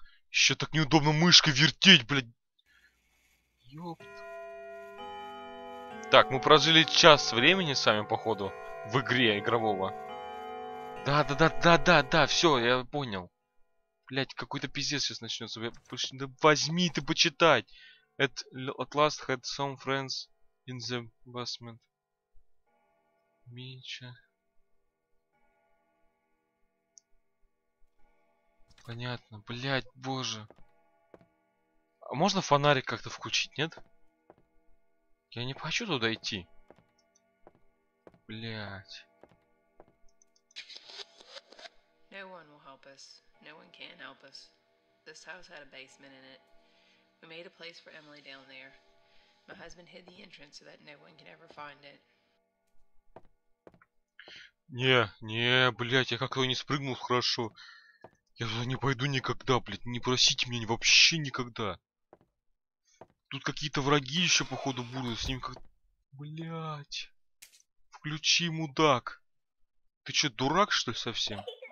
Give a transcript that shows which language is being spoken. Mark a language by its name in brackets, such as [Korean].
[Russian] Еще так неудобно мышкой вертеть, блядь. Ёпт. Так, мы прожили час времени с вами, походу, в игре игрового. Да, все, я понял. Блядь, какой-то пиздец сейчас начнется. Да возьми ты почитать. [English] At last had some friends in the basement. [Russian] Меньше. Понятно, блять, боже. А можно фонарик как-то включить, нет? Я не хочу туда идти. Блять. [English] No one will help us. No one can help us. This house had a basement in it. We made a place for Emily down there. My husband hid the entrance so that no one can ever find it. [Russian] Не, не, блять, я как-то не спрыгнул хорошо. Я туда не пойду никогда, блядь, не просите меня вообще никогда. Тут какие-то враги еще походу будут, с ним как... Блядь. Включи, мудак. Ты че, дурак, что ли, совсем?